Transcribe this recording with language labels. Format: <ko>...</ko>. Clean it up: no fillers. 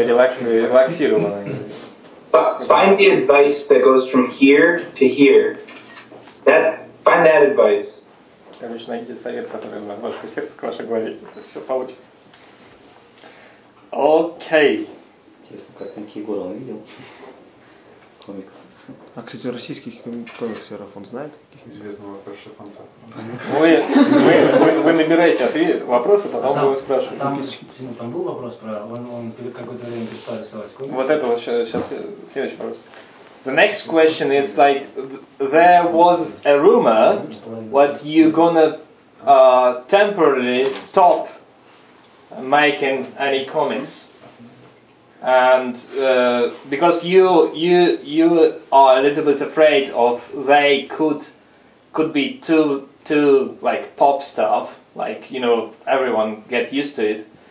<en>Find the advice that goes from here to here. That find that advice.</en> <ru>Короче, найдите совет, который на ваше сердце к вашей голове. Все получится. Окей. Интересно, как Ник Гуревич он видел комикс. А кстати, российских комиксеров он знает? Известного автора-шифанца. Вы набираете вопросы, потом вы его спрашиваете. Там был вопрос про... Он какое-то время перестал рисовать комиксы. Вот это вот сейчас следующий вопрос.</ru> <en>The next question is like, there was a rumor that you're gonna temporarily stop making any comics. And because you are a little bit afraid of they could be too like pop stuff, like, you know, everyone get used to it.</en>